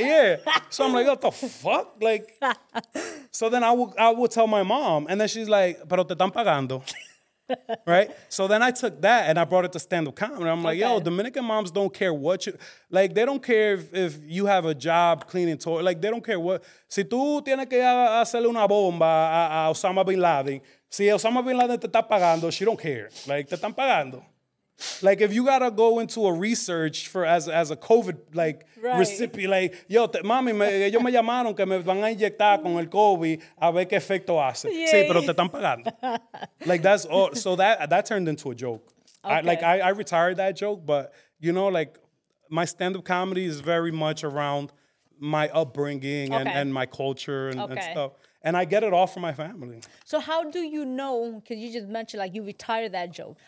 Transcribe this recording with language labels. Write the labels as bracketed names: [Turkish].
[English] Yeah. So I'm like, what the fuck? Like, so then I would tell my mom, and then she's like, [Spanish] pero te están pagando. [English] Right? So then I took that, and I brought it to stand-up comedy. I'm like, yo, Dominican moms don't care what you... Like, they don't care if you have a job cleaning toilet. Like, they don't care what... [Spanish] Si tú tienes que hacerle una bomba a Osama Bin Laden... Si Osama Bin Laden te está pagando, [English] she don't care. Like, [Spanish] te están pagando. [English] Like, if you got to go into a research for as a COVID, like, right. Recipient, like, [Spanish] yo, mami, ellos me llamaron que me van a inyectar con el COVID a ver qué efecto hace. Yay. Sí, pero te están pagando. [English] Like, that's all. So that turned into a joke. Okay. I retired that joke, but, you know, like, my stand-up comedy is very much around my upbringing and my culture and stuff. And I get it all from my family. So how do you know, because you just mentioned, like, you retire that joke.